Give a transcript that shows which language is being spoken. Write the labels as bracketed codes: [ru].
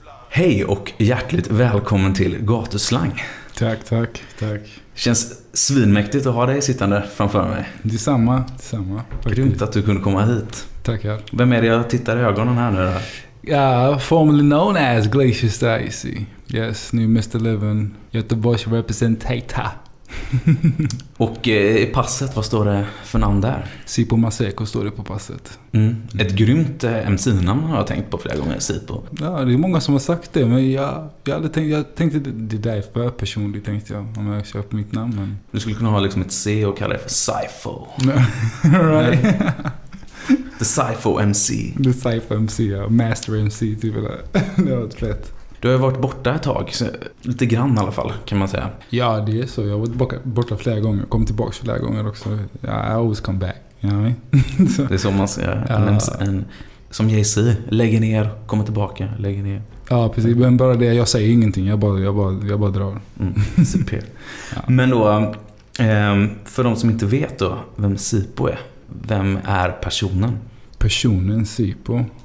[sv] Hej och hjärtligt välkommen till Gatuslang. Tack, tack, tack. Känns svinmäktigt att ha dig sittande framför mig. Detsamma, detsamma. Grymt att du kunde komma hit. Tackar. Vem är det jag tittar i ögonen här nu då? [en] Formerly known as Glacius the Icy. Yes, new Mr. Levin, Göteborgs representator. [sv] Och i passet, vad står det för namn där? Sipo Maseko står det på passet. Mm. Ett grymt MC-namn har jag tänkt på flera gånger, Sipo. Ja, det är många som har sagt det, men jag tänkte det där för personligt, tänkte jag, om jag köper mitt namn. Men... Du skulle kunna ha liksom ett C och kalla det för Sipho. [en] Right. The Sipho MC. [sv] The Sipho MC, ja. Master MC, typ det där. Det har varit fett. Du har varit borta ett tag, lite grann i alla fall kan man säga. Ja, det är så. Jag har varit borta flera gånger, kom tillbaka flera gånger också. [en] Yeah, I always come back, you know what I mean? [sv] Det är så man säger. Som Jay-Z, lägger ner, kommer tillbaka, lägger ner. Ja, precis. Men bara det, jag säger ingenting, jag bara drar. Super. Ja. Men då, för de som inte vet då, vem Sipo är, vem är personen? Personen Sipo?